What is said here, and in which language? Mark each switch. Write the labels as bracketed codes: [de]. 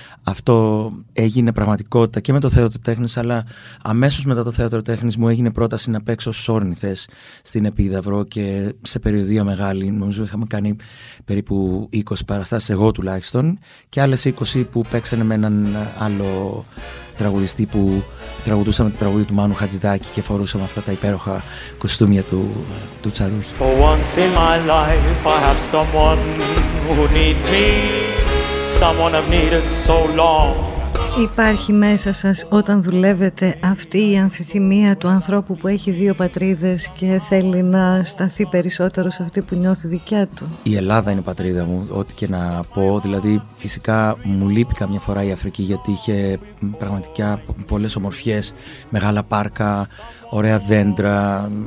[el] Αυτό έγινε πραγματικότητα και με το θέατρο τέχνης, αλλά αμέσως μετά το θέατρο τέχνης μου έγινε πρόταση να παίξω σόρνηθες στην Επίδαυρο και σε περιοδία μεγάλη. Νομίζω είχαμε κάνει περίπου 20 παραστάσεις, εγώ τουλάχιστον, και άλλες 20 που παίξανε με έναν άλλο τραγουδιστή που τραγουδούσαμε το τραγούδι του Μάνου Χατζηδάκη και φορούσαμε αυτά τα υπέροχα κοστούμια του Τσαρούχη. [en] For once in my life I have someone who needs me. Someone I've needed so long. [el] Υπάρχει μέσα σας όταν δουλεύετε αυτή η αμφιθυμία του ανθρώπου που έχει δύο πατρίδες και θέλει να σταθεί περισσότερο σε αυτή που νιώθει δικιά του? Η Ελλάδα είναι πατρίδα μου, ό,τι και να πω. Δηλαδή φυσικά μου λείπει καμιά φορά η Αφρική, γιατί είχε πραγματικά πολλές ομορφιές, μεγάλα πάρκα, ωραία δέντρα.